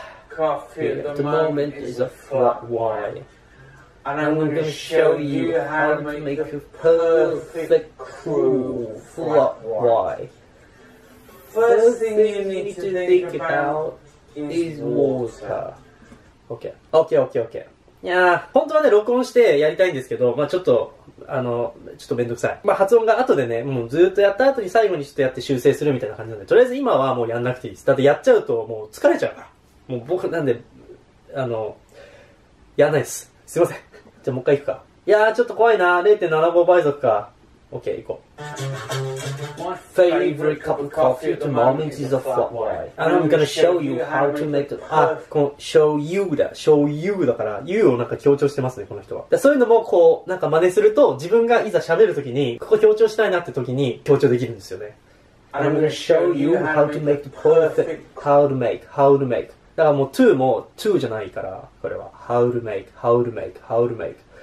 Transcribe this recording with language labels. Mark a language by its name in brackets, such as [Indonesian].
[English] Coffee at the moment is a flat white. And I'm gonna show you how to make a perfect crew flat white. First thing you need to think about is water. Okay. [Japanese] いやー、本当はね、録音してやりたいんですけど、まぁ、ちょっと、ちょっとめんどくさい。まぁ、発音が後でね、もうずーっとやった後に最後にちょっとやって修正するみたいな感じなんで、とりあえず今はもうやんなくていいです。だってやっちゃうともう疲れちゃうから。もう僕なんで、やんないです。すいません。じゃあもう一回行くか。いやー、ちょっと怖いなー。0.75 倍速か。OK、行こう。 [English] My favorite cup of coffee at the moment is a flat white. And I'm gonna show you how to make the... [Japanese] あ、この [English] show you [Japanese] だ。 [English] show you [Japanese] だから、you をなんか強調してますね、この人は。そういうのもこう、なんか真似すると、自分がいざ喋るときに、ここ強調したいなってときに強調できるんですよね。 [English] And I'm gonna show you how to make the perfect... How to make, how to make. [Japanese] だからもう to も to じゃないから、これは。 [English] How to make, how to make, how to make.